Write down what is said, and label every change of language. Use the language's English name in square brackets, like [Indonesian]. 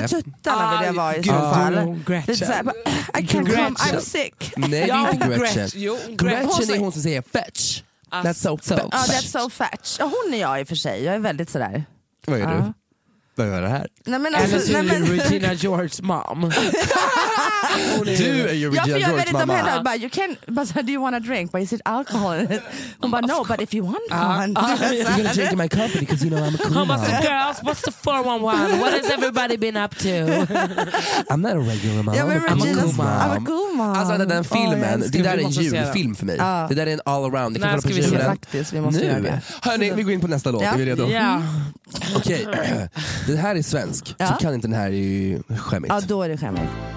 [Swedish] Men tuttarna vill jag vara i så fall. [English] I can come, I'm sick. [Swedish] Nej, det är inte Gretchen. Gretchen är hon som säger fetch. [English] That's so fetch. Oh, that's so fetch. [Swedish] Hon är jag i och för sig. Jag är väldigt sådär. Vad är du? Vad gör det här? Nej, men alltså, eller så är du Regina George's mom. Du är ju Regina George's mamma. Jag vet inte om henne. [English] You can, but do you want a drink? But is it alcohol? [Swedish] Hon bara, [English] no, but if you want one. You're gonna drink in my company because you know I'm a queen. [Swedish] Hon bara, [English] so girls, what's the 411? What has everybody been up to? I'm not a regular mom. [Swedish] Ja, [English] I'm a cool mom. I'm a cool mom. [Swedish] Alltså den där filmen, oh, det där är en julfilm för mig. Det där är en all around. Det kan vara på julen. Nej, faktiskt, vi måste göra det. Hörrni, vi går in på nästa låt. Är vi redo? Ja. Okej. Det här är svensk, ja. Så kan inte den här, är ju skämmigt. Ja, då är det skämmigt.